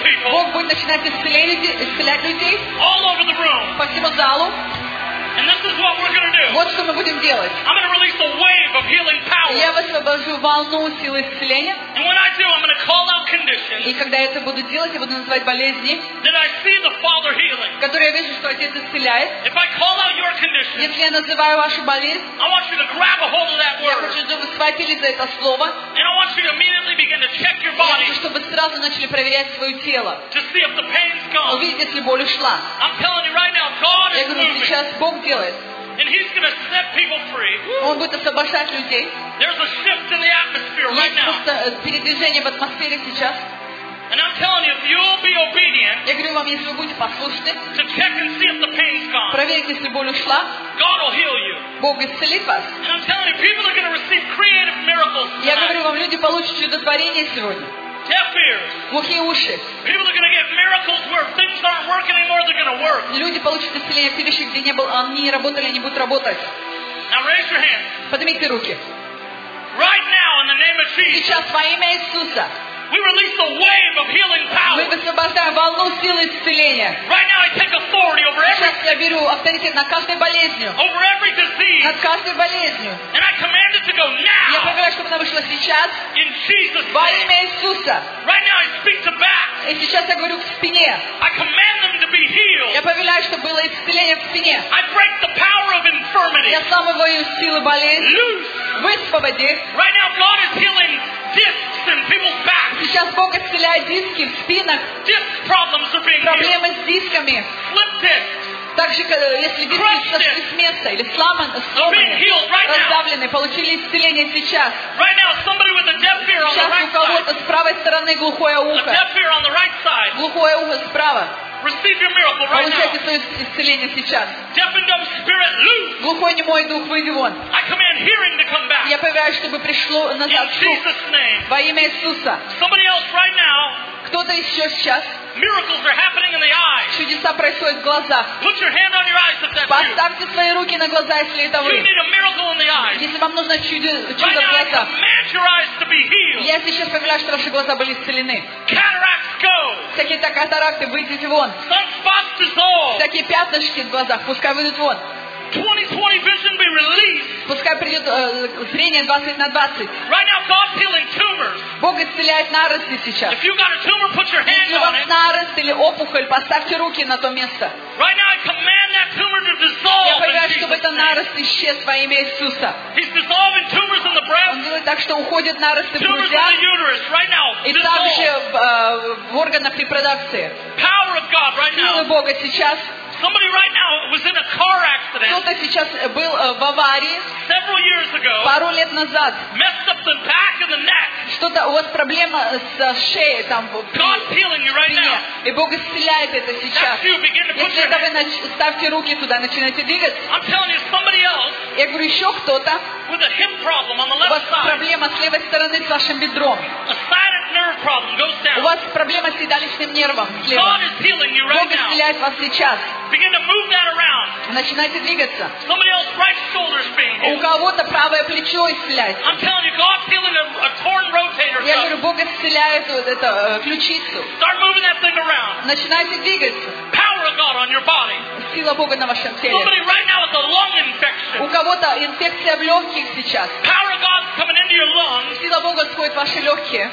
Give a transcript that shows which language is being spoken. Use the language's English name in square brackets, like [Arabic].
[Russian] Бог будет начинать исцелять людей по всему залу. [English] And this is what we're going to do. [Russian] Вот что мы будем делать. [English] I'm going to release a wave of healing power. [Russian] Я высвобожу волну силы исцеления. [English] And when I do, I'm going to call out conditions. [Russian] И когда я это буду делать, я буду называть болезни. [English] Then I see the Father healing. [Russian] Которые я вижу, что Отец исцеляет. [English] If I call out your condition. [Russian] Если я называю вашу болезнь. [English] I want you to grab a hold of that word. [Russian] Я хочу, чтобы вы схватили за это слово. [English] And I want you to immediately begin to check your body. [Russian] Я хочу, чтобы вы сразу начали проверять свое тело. [English] To see if the pain's gone. [Russian] Увидеть, если боль ушла. [English] I'm telling you right now, God is moving. [Russian] Я говорю, сейчас Бог [English] And he's going to set people free. [Russian] Он будет освобождать людей. [English] There's a shift in the atmosphere right now. [Russian] Есть передвижение в атмосфере сейчас. [English] And I'm telling you, if you'll be obedient, [Russian] я говорю вам, если вы будете послушны, [English] to check and see if the pain's gone, [Russian] проверить, если боль ушла, [English] God will heal you. [Russian] Бог исцелит вас. [English] And I'm telling you, people are going to receive creative miracles tonight. [Russian] Я говорю вам, люди получат чудотворение сегодня. Глухие уши. [English] People are going to get miracles where things aren't working anymore. They're going to work. [Russian] Люди получат исцеление в пищах, где не было, они работали, они будут работать. [English] Now raise your hands. [Russian] Поднимите руки. [English] Right now, in the name of Jesus. [Russian] Сейчас во имя Иисуса. [English] We release a wave of healing power. [Russian] Мы высвобождаем волну силы исцеления. [English] Right now, I take authority over every. [Russian] Сейчас я беру авторитет на каждую болезнь. [English] Over every disease. [Russian] Над каждой болезнью. [English] And I command it to go now. [Russian] Я повелеваю, чтобы она вышла сейчас. [English] In Jesus' name. [Russian] Во имя Иисуса. [English] Right now, I speak to back. [Russian] И сейчас я говорю к спине. [English] I command them to be healed. [Russian] Я повелеваю, чтобы было исцеление в спине. [English] I break the power of infirmity. [Russian] Я сломываю силы болезни. [English] Loose. [Russian] Высвободи. [English] Right now, God is healing. Discs in people's backs. [Russian] Сейчас Бог исцеляет диски в спинах. [English] Disc problems are being healed. [Russian] Проблемы с дисками. [English] Flip discs. [Russian] Также, если диски сошли с места или сломаны, раздавлены, получили исцеление сейчас. [English] Right now, somebody with a deaf ear on the right side. [Russian] Сейчас у кого-то с правой стороны глухое ухо. [English] A deaf ear on the right side. [Russian] Глухое ухо справа. [English] Receive your miracle right now. [Russian] Получайте свое исцеление сейчас. [English] Deaf and dumb spirit, loose. [Russian] Глухой немой дух, выйди вон. [English] I command hearing to come back. [Russian] Я повелеваю, чтобы пришло назад. [English] In Jesus' name. [Russian] Во имя Иисуса. [English] Somebody else right now. [Russian] Кто-то еще сейчас. [English] Miracles are happening in the eyes. [Russian] Чудеса происходят в глазах. [English] Put your hand on your eyes if that's you. [Russian] Поставьте свои руки на глаза, если это вы. [English] You need a miracle in the eyes. [Russian] Если вам нужно чудо в глазах. [English] Right now, I command your eyes to be healed. [Russian] Я сейчас повелеваю, чтобы ваши глаза были исцелены. [English] Cataracts go. [Russian] Всякие так катаракты, выйдите вон. [English] Sunspots dissolve. [Russian] Всякие пятнышки в глазах, пускай выйдут вон. [English] 20/20 vision be released. [Russian] Пускай придет зрение 20/20. [English] Right now, God's healing tumors. [Russian] Бог исцеляет нарости сейчас. [English] If you got a tumor, put your hand on it. [Russian] Если у вас нарост или опухоль, поставьте руки на то место. [English] Right now, I command that tumor to dissolve. [Russian] Я повелеваю, чтобы этот нарост исчез во имя Иисуса. [English] He's dissolving tumors in the breast. [Russian] Он делает так, что уходят нарости в грудях. [English] Tumors in the uterus. Right now, dissolve. [Russian] И также в органах репродукции. [English] Power of God right now. [Russian] Силы Бога сейчас. [English] Somebody right now was in a car accident. [Russian] Кто-то сейчас был в аварии. [English] Several years ago. [Russian] Пару лет назад. [English] Messed up the back and the neck. [Russian] Что-то у вас проблема с шеей там. [English] God's healing you right now. [Russian] И Бог исцеляет это сейчас. [English] That's you. Begin to put your hands. [Russian] Если это вы, ставьте руки туда, начинайте двигаться. [English] I'm telling you, somebody else. [Russian] Я говорю, еще кто-то. [English] With a hip problem on the left side. [Russian] У вас проблема с левой стороны с вашим бедром. [English] A sciatic nerve problem goes down. [Russian] У вас проблема с седалищным нервом слева. [English] God is healing you right now. [Russian] Бог исцеляет вас сейчас. [English] Begin to move that around. [Russian] Начинайте двигаться. [English] Somebody else's right shoulder is being healed. [Russian] У кого-то правое плечо исцеляется. [English] I'm telling you, God's healing a torn rotator cuff. [Russian] Я говорю, Бог исцеляет вот эту ключицу. [English] Start moving that thing around. [Russian] Начинайте двигаться. [English] Power of God on your body. [Russian] Сила Бога на вашем теле. [English] Somebody right now with a lung infection. [Russian] У кого-то инфекция в легких сейчас. [English] Power of God coming into your lungs. [Russian] Сила Бога сходит в ваши легкие.